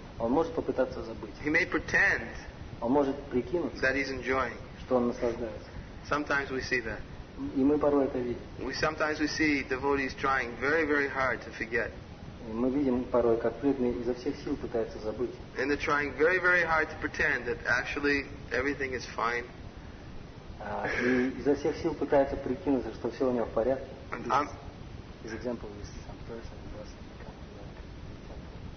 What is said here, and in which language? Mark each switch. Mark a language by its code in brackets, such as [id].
[ru] Он может попытаться забыть. [en] He may pretend. [ru] Он может прикинуться. [en] That he's enjoying. [ru] Что он наслаждается. [en] Sometimes we see that. [ru] И мы порой это видим. [en] Sometimes we see devotees trying very, very hard to forget. [ru] Мы видим порой, как преданный изо всех сил пытается забыть. [en] And they're trying very, very hard to pretend that actually everything is fine. [ru] И изо всех сил пытается прикинуться, что все у него в порядке. [en] This example is some person who doesn't come back.